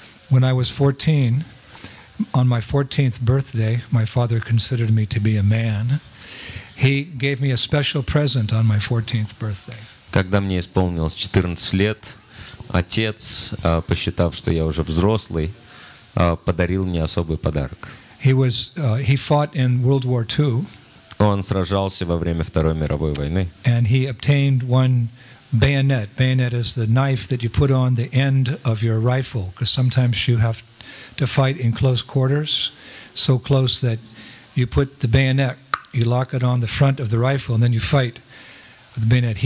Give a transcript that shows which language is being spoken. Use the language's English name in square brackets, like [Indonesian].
[English] When I was 14, on my 14th birthday, my father considered me to be a man. He gave me a special present on my 14th birthday. [Russian] Когда мне исполнилось 14 лет, отец, посчитав, что я уже взрослый, подарил мне особый подарок. [English] He fought in World War II. [Russian] Он сражался во время Второй мировой войны. [English] And he obtained one bayonet. Bayonet is the knife that you put on the end of your rifle, because sometimes you have to fight in close quarters, so close that you put the bayonet, you lock it on the front of the rifle, and then you fight with the bayonet.